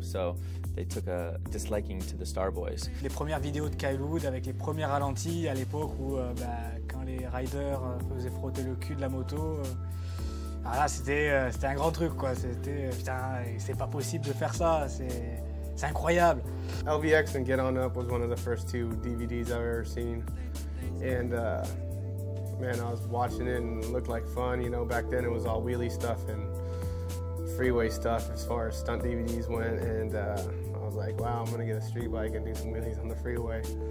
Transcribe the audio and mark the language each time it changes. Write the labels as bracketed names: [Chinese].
[English] So they took a disliking to the Star Boys. [French] Les premières vidéos de Kyle Wood avec les premiers ralentis à l'époque où quand les riders faisaient frotter le cul de la moto. Là, c'était un grand truc quoi. C'était putain, c'est pas possible de faire ça. C'est incroyable. [English] LVX and Get On Up was one of the first two DVDs I've ever seen. And man, I was watching it and it looked like fun. You know, back then it was all wheelie stuff and freeway stuff as far as stunt DVDs went. And I was like, wow, I'm gonna get a street bike and do some wheelies on the freeway.